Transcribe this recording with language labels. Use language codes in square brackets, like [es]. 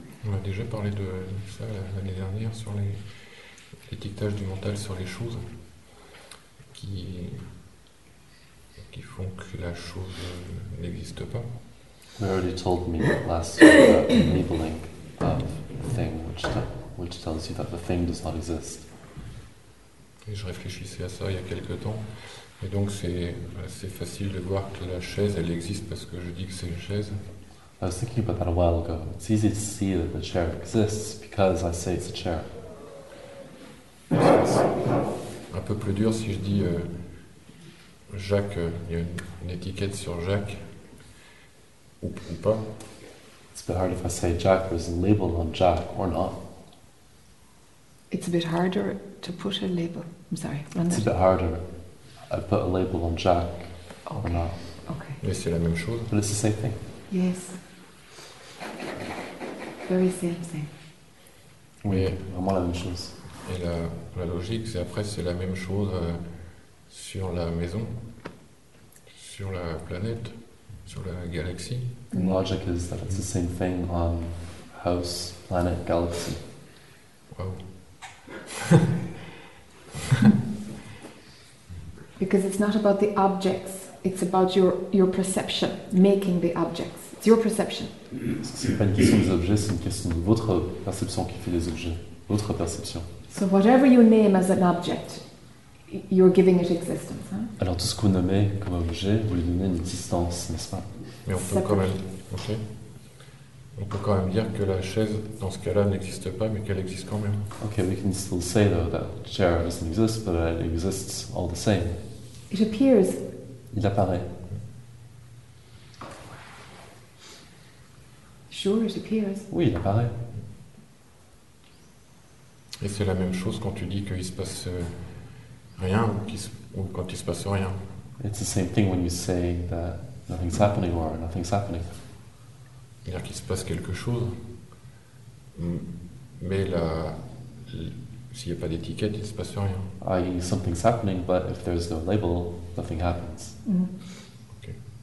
[fr] On a déjà parlé de ça l'année dernière sur l'étiquetage du mental sur les choses qui font que la chose n'existe pas. [en] We already told me last week about the labeling of the thing, which tells you that the thing does not exist. [fr] Et je réfléchissais à ça il y a quelques temps. Et donc c'est assez facile de voir que la chaise, elle existe parce que je dis que c'est une chaise. [en] I was thinking about that a while ago. It's easy to see that the chair exists because I say it's a chair. [fr] Un peu plus dur si je dis Jacques, il y a une étiquette sur Jacques, ou pas. [en] It's a bit hard if I say Jacques, there's a label on Jacques, or not. It's a bit harder to put a label. I'm sorry. It's a bit harder. I put a label on Jacques, or not. Okay. [fr] Mais c'est la même chose. [en] But it's the same thing. Yes. Very same thing. [fr] Oui, vraiment la même chose. Et la logique, c'est après, c'est la même chose sur la maison, sur la planète, sur la galaxie. [en] The logic is that it's the same thing on house, planet, galaxy. Wow. Because it's not about the objects, it's about your perception, making the objects. It's your perception. [fr] C'est pas une question des objets, c'est une question de votre perception qui fait des objets, votre perception. [en] So whatever you name as an object, you're giving it existence, hein? [fr] Alors tout ce que vous nommez comme objet, vous lui donnez une existence, n'est-ce pas? Mais on peut quand même, ok. On peut quand même dire que la chaise, dans ce cas-là, n'existe pas, mais qu'elle existe quand même. [en] Okay, we can still say though that chair doesn't exist, but it exists all the same. It appears. [fr] Il apparaît. [en] Sure, it appears. [fr] Oui, il apparaît. Et c'est la même chose quand tu dis qu'il se passe rien ou quand il se passe rien. [en] It's the same thing when you say that nothing's happening or nothing's happening. [fr] C'est-à-dire qu'il se passe quelque chose, mais s'il n'y a pas d'étiquette, il se passe rien. [en] I mean, something's happening, but if there's no label, nothing happens. Mm-hmm. Okay.